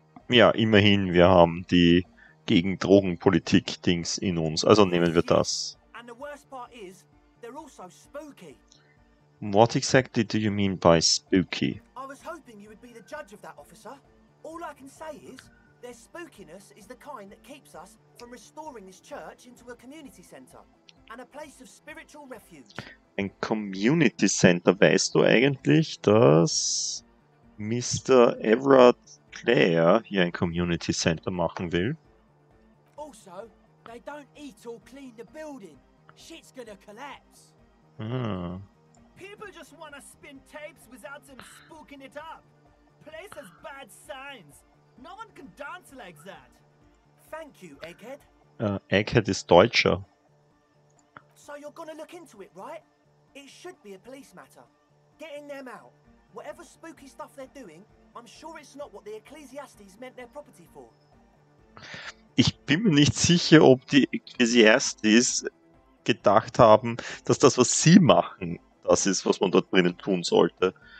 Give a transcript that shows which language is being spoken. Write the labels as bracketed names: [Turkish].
[German] Ja, immerhin, wir haben die Gegen-Drogen-Politik-Dings in uns, also nehmen wir das. [English] And the worst part is, they're also spooky. What exactly do you mean by spooky? I was hoping you would be the judge of that, officer. All I can say is, their spookiness is the kind that keeps us from restoring this church into a community center and a place of spiritual refuge. [German] Ein Community Center, weißt du eigentlich, dass Mr. Everard Claire hier ein Community Center machen will? [English] Also, they don't eat or clean the building. Shit's gonna collapse. People just wanna spin tapes without them spooking it up. Place has bad signs. No one can dance like that. Thank you, Egghead. [German] Egghead ist Deutscher. [English] So you're gonna look into it, right? It should be a police matter. Getting them out. Whatever spooky stuff they're doing, I'm sure it's not what the Ecclesiastes meant their property for. [German] Ich bin mir nicht sicher, ob die Ecclesiastes gedacht haben, dass das, was sie machen, das ist, was man dort drinnen tun sollte.